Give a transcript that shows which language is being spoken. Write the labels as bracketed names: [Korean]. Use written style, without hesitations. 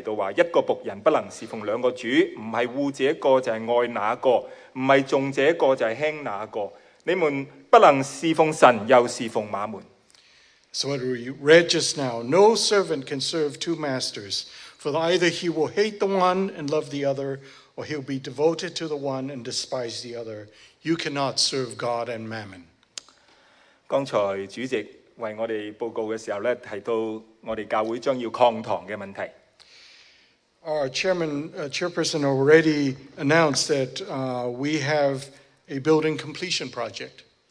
[Chinese] 所以呢,就剛才我們讀的經文那裡就有提到說,一個僕人不能侍奉兩個主,不是惡者一個就是愛那個,不是眾者一個就是輕那個, 你们不能侍奉神，又侍奉马门。 [English] So what we read just now, no servant can serve two masters, for either he will hate the one and love the other, or he'll be devoted to the one and despise the other. You cannot serve God and mammon. [Chinese] 刚才主席为我们报告的时候，提到我们教会将要扩堂的问题。 [English] Our chairman, chairperson already announced that we have a building completion project.